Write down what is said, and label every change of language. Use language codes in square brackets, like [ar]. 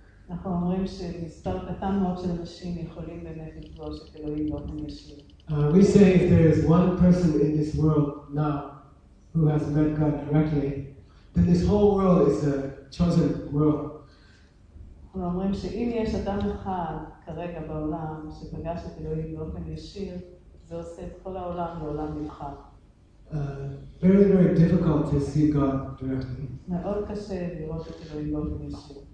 [he] אנחנו אומרים שמספר קטן מאוד של אנשים יכולים באמת לפגוש את אלוהים באופן ישיר. [en] We say if there is one person in this world now who has met God directly, then this whole world is a chosen world. [he] אנחנו אומרים שאם יש אדם אחד כרגע בעולם שפגש את אלוהים באופן ישיר, זה עושה את כל העולם לעולם נבחר. [en] Very, very difficult to see God directly. [he] מאוד קשה לראות את אלוהים באופן ישיר.